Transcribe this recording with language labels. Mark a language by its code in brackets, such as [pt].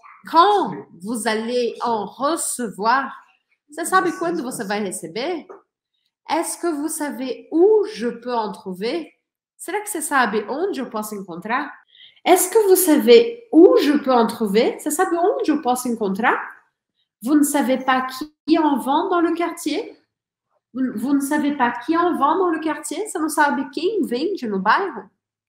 [fr] Quand vous allez en recevoir? [pt] Você sabe quando você vai receber? [fr] Est-ce que vous savez où je peux en trouver? [pt] Será que você sabe onde eu posso encontrar? [fr] Est-ce que vous savez où je peux en trouver? [pt] Você sabe onde eu posso encontrar? [fr] Vous ne savez pas qui en vend dans le quartier? Vous ne savez pas qui en vend dans le quartier? [pt] Você não sabe quem vende no bairro?